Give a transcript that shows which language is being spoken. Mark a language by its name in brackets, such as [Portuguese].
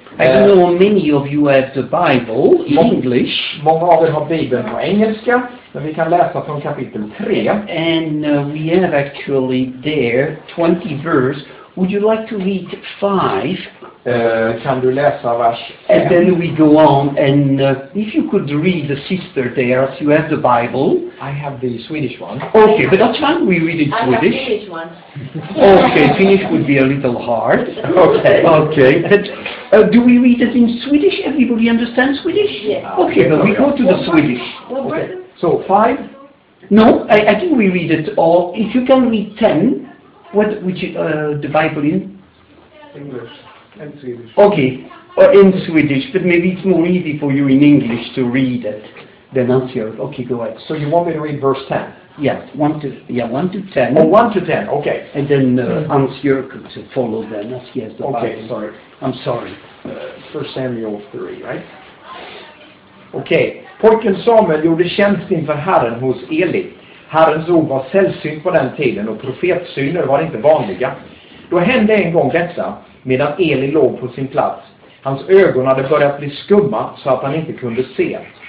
[English] I don't know how many of you have the Bible in English. [Swedish] Många av er har Bibeln på engelska, men vi kan läsa från kapitel 3. [English] And we have actually there 20 verse. Would you like to read 5? [Swedish] Kan du läsa vers 5? [English] And then we go on, and if you could read the sister there, if you have the Bible. I have the Swedish one. Okay, but that's fine, we read it I Swedish. I have Swedish one. Okay, Finnish would be a little hard. Okay. Okay, but do we read it in Swedish? Everybody understands Swedish? Yeah. Okay, but we go to the Swedish. Okay. So, 5? No, I think we read it all. If you can read 10, what would you, the Bible in? English. In Swedish. Okay, in Swedish, but maybe it's more easy for you in English to read it than answer. Okay, go ahead. So you want me to read verse 10? Yes, 1 to 10. Oh, 1 to 10, okay. And then answer could follow then, as he has the okay, Bible. Sorry. I'm sorry. 1 Samuel 3, right? [Swedish] Okej, pojken Samuel gjorde tjänst inför Herren hos Eli. Herrens ord var sällsynt på den tiden och profetsyner var inte vanliga. Då hände en gång detta. Medan Eli låg på sin plats. Hans ögon hade börjat bli skumma så att han inte kunde se.